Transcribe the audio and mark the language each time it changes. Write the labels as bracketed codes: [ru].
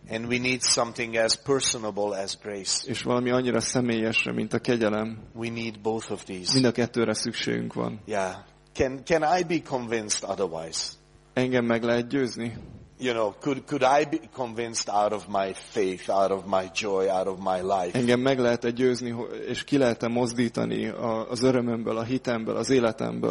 [en] And we need something as personable as grace. [hu] És valami annyira személyesre, mint a kegyelem. [en] We need both of these. [hu] Mind a kettőre szükségünk van. [en] Yeah. Can I be convinced otherwise? [hu] Engem meg lehet győzni? [en] You know, could I be convinced out of my faith, out of my joy, out of my life? [hu] Engem meg lehet-e győzni, és ki lehet-e mozdítani az örömömből, a hitemből, az életemből?